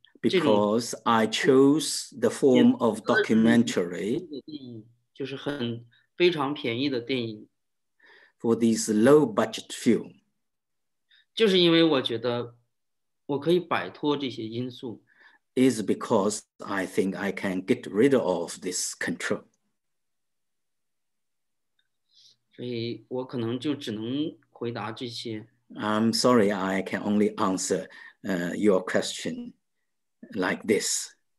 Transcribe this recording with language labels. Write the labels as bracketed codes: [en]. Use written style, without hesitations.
[en] because I chose the form of documentary [zh] 就是很非常便宜的电影 [en] for this low budget film [zh] 就是因为我觉得我可以摆脱这些因素 [en] is because I think I can get rid of this control [zh] 所以我可能就只能回答这些 [en] I'm sorry, I can only answer your question like this.